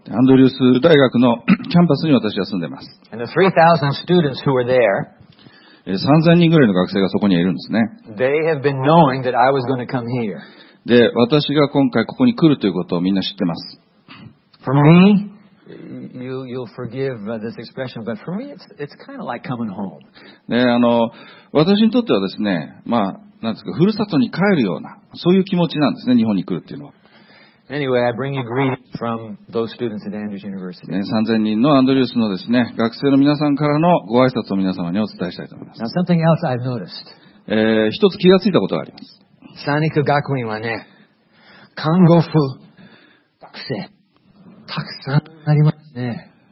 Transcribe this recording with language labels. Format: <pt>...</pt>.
<ja>アンドリュース大学のキャンパスに私は住んでます。</ja> <en>And the 3,000 students who were there.</en> <ja>3,000 人ぐらいの学生がそこにいるんですね。</ja> <en>They have been knowing that I was going to come here.</en> <ja>で、私が今回ここに来るということをみんな知ってます。</ja> <en>For me, you'll forgive this expression, but for me, it's kind of like coming home.</en> <ja>ね、私にとってはですね、まあ、なんですか、ふるさとに帰るような、そういう気持ちなんですね、日本に来るっていうのは。</ja> <en>Anyway, I bring you greeting from those students at Andrews University.</en> <ja>3000人のアンドリュースのですね、学生の皆さんからのご挨拶を皆様にお伝えしたいと思います。</ja> <en>Now, something else I've noticed.</en> <ja>一つ気がついたことがあります。三陸学院はね、看護婦学生たくさんありますね。</ja>